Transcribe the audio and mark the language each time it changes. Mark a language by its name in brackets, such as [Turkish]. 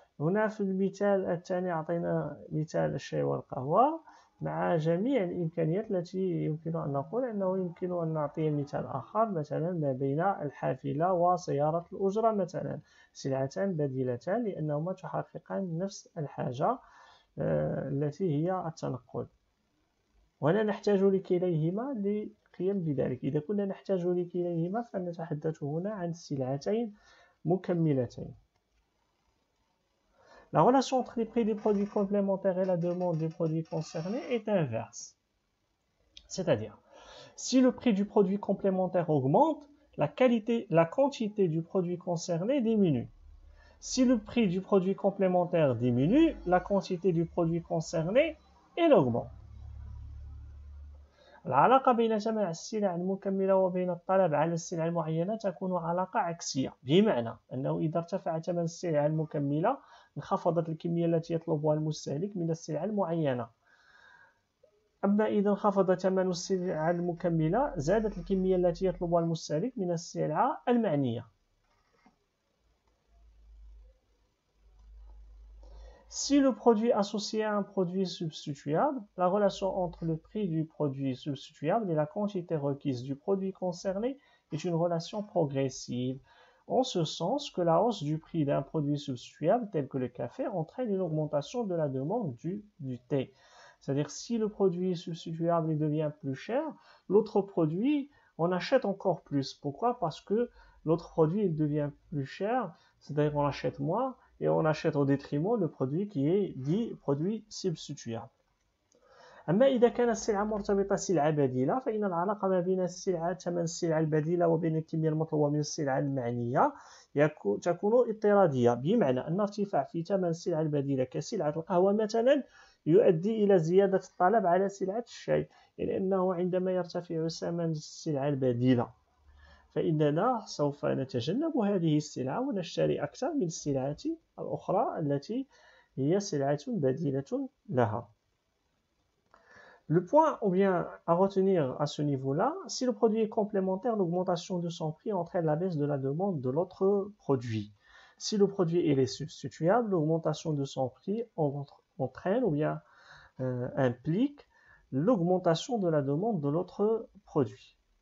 [Arabic] هنا في المثال الثاني أعطينا مثال الشاي والقهوة مع جميع الإمكانيات التي يمكن أن نقول أنه يمكن أن نعطي مثال آخر، مثلا ما بين الحافلة وسيارة الأجرة، مثلا سلعتان بديلتان لأنهما تحققان نفس الحاجة التي هي التنقل. وهنا نحتاج لكليهما لقيام بذلك. إذا كنا نحتاج لكليهما فنتحدث هنا عن سلعتين مكملتين. [French] La relation entre les prix des produits complémentaires et la demande des produits concernés est inverse. C'est-à-dire, si le prix du produit complémentaire augmente, la quantité du produit concerné diminue. Si le prix du produit complémentaire diminue, la quantité du produit concerné elle augmente. [Arabic] العلاقة بين جمع السلع المكملة وبين الطلب على السلع المعينة تكون علاقة عكسية، بمعنى أنه إذا ارتفع ثمن السلع المكملة انخفضت الكمية التي يطلبها المستهلك من السلع المعينة. أما إذا انخفض ثمن السلع المكملة زادت الكمية التي يطلبها المستهلك من السلع المعنية. [French] Si le produit associé à un produit substituable, la relation entre le prix du produit substituable et la quantité requise du produit concerné est une relation progressive, en ce sens que la hausse du prix d'un produit substituable tel que le café entraîne une augmentation de la demande du thé. C'est-à-dire si le produit substituable devient plus cher, l'autre produit en achète encore plus. Pourquoi? Parce que l'autre produit il devient plus cher, c'est-à-dire on achète moins. Et on achète au détriment le produit qui est dit produit substituable. [Arabic] أما إذا كانت السلعة مرتبطة سلعة بديلة، فإن العلاقة ما بين السلعة ثمن السلعة البديلة وبين الكمية المطلوبة من السلعة المعنية تكون اضطرادية، بمعنى أن ارتفاع في ثمن السلعة البديلة كسلعة القهوة مثلا يؤدي إلى زيادة الطلب على سلعة الشاي، لأنه عندما يرتفع ثمن السلعة البديلة فإننا سوف نتجنب هذه السلعة ونشتري أكثر من السلعة الأخرى التي هي سلعة بديلة لها. [French] Le point, ou bien à retenir à ce niveau-là, si le produit est complémentaire, l'augmentation de son prix entraîne la baisse de la demande de l'autre produit. Si le produit est substituable, l'augmentation de son prix entraîne ou bien implique l'augmentation de la demande de l'autre produit.